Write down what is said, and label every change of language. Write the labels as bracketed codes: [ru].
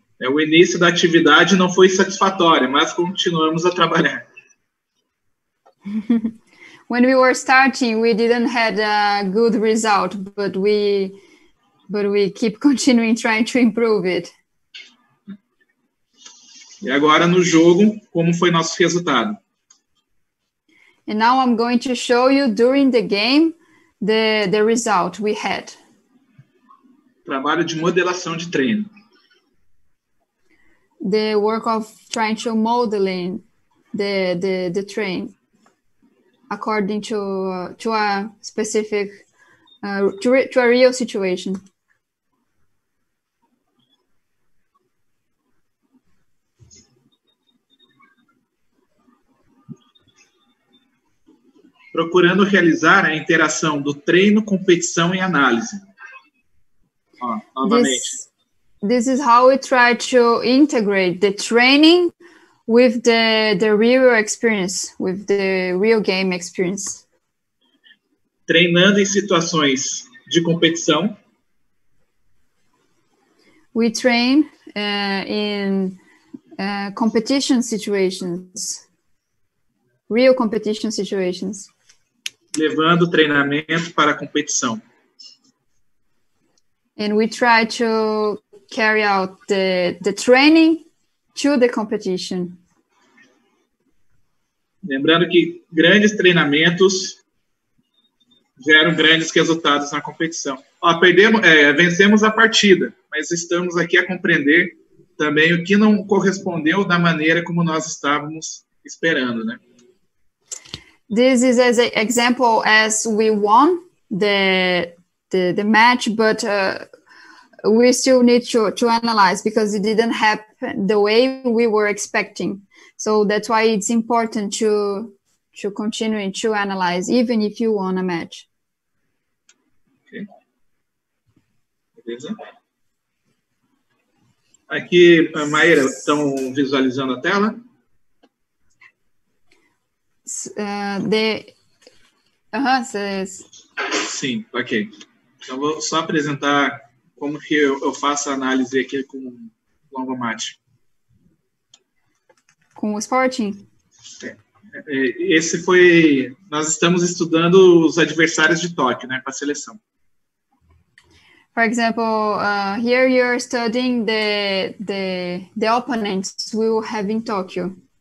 [pt] O início da atividade não foi satisfatório, mas continuamos a trabalhar. [en] When we were starting, we didn't have a good result, but we keep continuing trying to improve it. [pt] E agora no jogo, como foi nosso resultado? [en] And now I'm going to show you during the game the result we had. [pt] Trabalho de modelação de treino. [en] The work of trying to modeling the train. According to a specific to a real situation. [pt] Procurando realizar a interação do treino, competição e análise. Novamente. [en] This is how we try to integrate the training with the real experience, with the real game experience. [pt] Treinando em situações de competição. [en] We train in competition situations, real competition situations. [pt] Levando treinamento para a competição. [en] And we try to carry out the training to the competition. [pt] Lembrando que grandes treinamentos geram grandes resultados na competição. Ó, vencemos a partida, mas estamos aqui a compreender também o que não correspondeu da maneira como nós estávamos esperando, né? [en] This is as an example as we won the match, but we still need to analyze because it didn't happen the way we were expecting. So that's why it's important to continue to analyze, even if you won a match. [pt] Beleza. Aqui, Maíra, estão visualizando a tela? Sim, ok. Então, vou só apresentar como que eu faço a análise aqui com o Longomat. Com o Sporting? Esse foi... Nós estamos estudando os adversários de Tóquio, né, para a seleção. [en] For example, here you are studying the opponents we will have in Tokyo.